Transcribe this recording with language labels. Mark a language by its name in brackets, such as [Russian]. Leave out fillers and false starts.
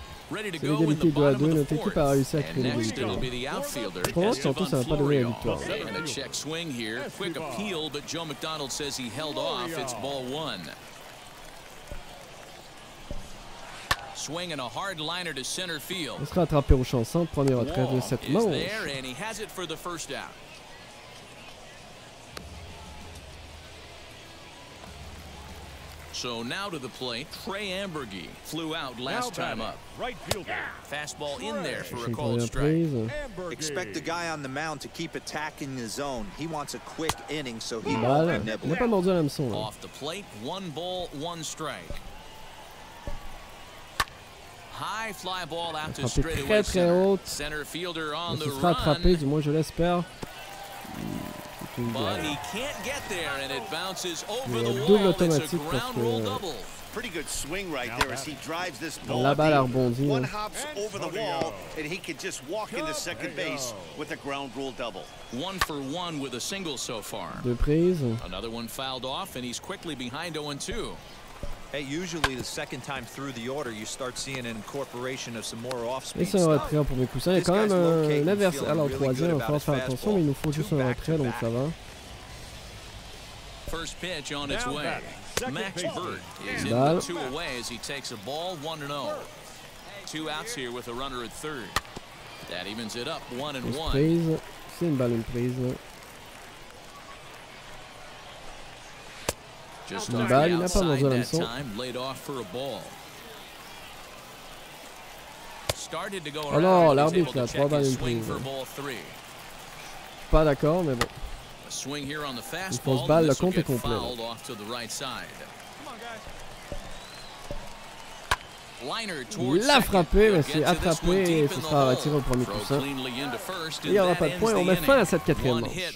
[English] Ready to go with the bottom of the fourth. And next it'll be the outfielder. Esteban Florio. And a check swing here. Quick appeal, but Joe McDonald says he held off. It's ball one. Swing and a hard liner to center field. [French] On sera attrapé au champ 5, premier retrait de cette manche. [English] Is there, and he has it for the first out. So now to the plate, Trey Ambergy flew out last time up. Right fielder. Fastball in there for a called strike. Expect the guy on the mound to keep attacking the zone. He wants a quick inning, so he won't nibble. Off the plate, one ball, one strike. High fly ball out to straightaway center. Center fielder on the run. [French] Attrapé, du moins je l'espère. [English] But he can't get there, and it bounces over the wall. It's a ground rule double. Pretty good swing right there as he drives this ball. [French] La balle a rebondi. [English] One hops over the wall, and he could just walk into second base with a ground rule double. One for one with a single so far. [French] Deux prises. [English] Another one fouled off, and he's quickly behind 0-2. Hey, usually the second time through the order, you start seeing an incorporation of some more off-speed stuff. [French] Et c'est un retrait pour mes coussins. Il y a quand même un adversaire. Alors, troisième, il va falloir faire attention, mais il nous faut juste un retrait, donc ça va. [English] First pitch on its way. Max Bird is in with two away as he takes a ball, 1-0. Two outs here with a runner at third. That evens it up, 1-1. [French] Prise. C'est une balle, une prise, là. [English] Just on the outside that time, laid off for a ball. Started to go around, [French] alors, [English] he was able to check his swing [French] prise [English] for ball three. [French] Pas d'accord, mais bon. [English] A swing here on the fastball, and this will get fouled off to the right side. Liner towards [French] il l'a frappé, mais c'est attrapé et ce sera retiré au premier coussin. Il n'y aura pas de point, on met fin à cette quatrième manche.